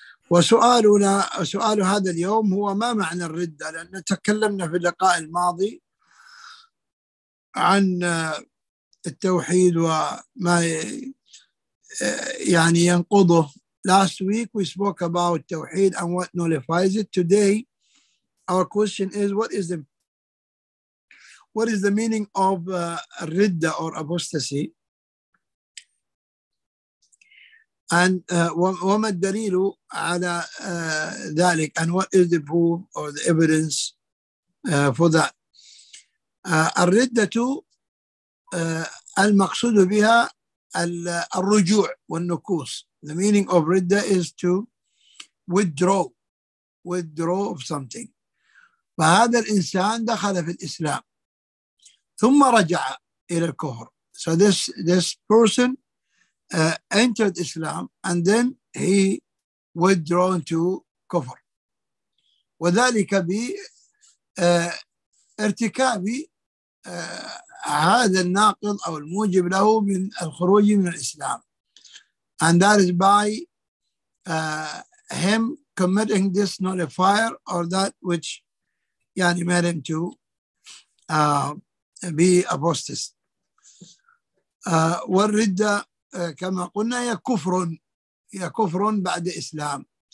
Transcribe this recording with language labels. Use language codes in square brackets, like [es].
[ar] وسؤالنا سؤال هذا اليوم هو ما معنى الردة؟ لأننا تكلمنا في اللقاء الماضي عن التوحيد وما يعني ينقضه. [en] Last week we spoke about التوحيد and what nullifies it. Today our question is what is the meaning of الردة or apostasy, and [ar] وما الدليل على ذلك, [en] and what is the proof or the evidence for that. [ar] الردة المقصود بها الرجوع والنكوص. [en] The meaning of ridda is to withdraw of something. [ar] فهذا الإنسان دخل في الإسلام ثم رجع إلى الكفر. [en] So this person entered Islam and then he withdrew to kufr. [ar] وذلك بارتكاب هذا الناقض أو الموجب له من الخروج من الإسلام. [en] And that is by him committing this nullifier or that which [ar] يعني [en] made him to be apostate. [ar] والردة كما قلنا هي كفر بعد إسلام.